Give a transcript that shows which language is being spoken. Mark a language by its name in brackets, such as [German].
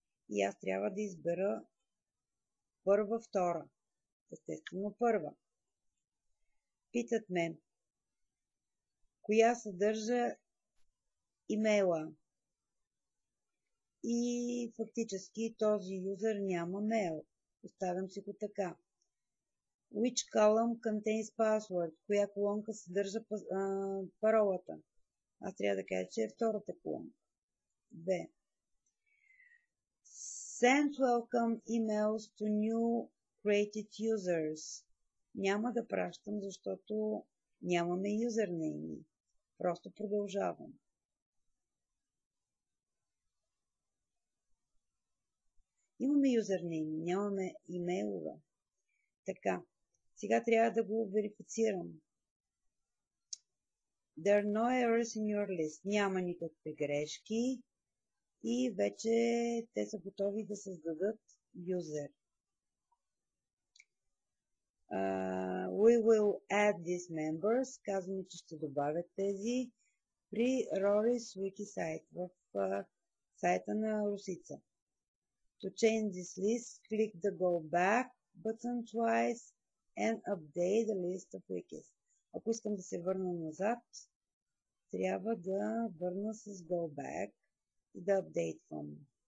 [Bulgarian] И аз трябва да избера първа, втора. Естествено, първа. Питат ме. Коя съдържа имейла? И фактически този юзър няма мейл. Оставям си го така. [English] Which column contains password? [Bulgarian] Коя колонка съдържа паролата? Аз трябва да кажа, че е втората колонка. Б. [English] Send welcome emails to new created users. [Bulgarian] Няма да пращам, защото нямаме юзернейми. Просто продължавам. Имаме юзернейм, нямаме имейлове. Така, сега трябва да го верифицирам. [English] There are no errors in your list. [Bulgarian] Няма никакви грешки. И вече те са готови да създадат юзер. [English] We will add these members. [Bulgarian] Казваме, че ще добавят тези при Rory's Wiki сайт в сайта на Русица. [English] To change this list, click the Go Back button twice and update the list of wikis. [Bulgarian] Ако искам да се върна назад, трябва да върна с Go Back и да апдейтвам.